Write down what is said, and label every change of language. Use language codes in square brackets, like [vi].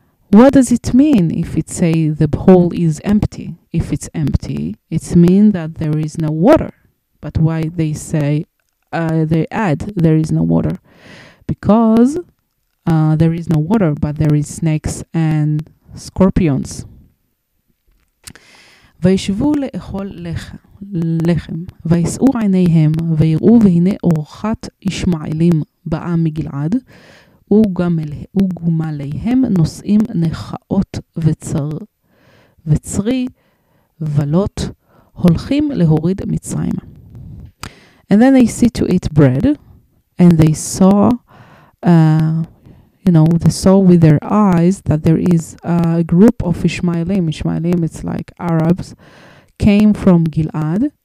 [en] What does it mean if it say the hole is empty? If it's empty, it means that there is no water. But why they say, they add, there is no water? Because there is no water, but there is snakes and scorpions. [he] וישבו לאכול לחם, ויסעו עיניהם, ויראו והנה אורחת ישמעאלים באה מגלעד, וגמליהם נושאים נחאות וצרי ולות, הולכים להוריד מצרים. [en] And then they see to eat bread, and they saw they saw with their eyes that there is a group of Ishmaelim. Ishmaelim, it's like Arabs, came from Gilad.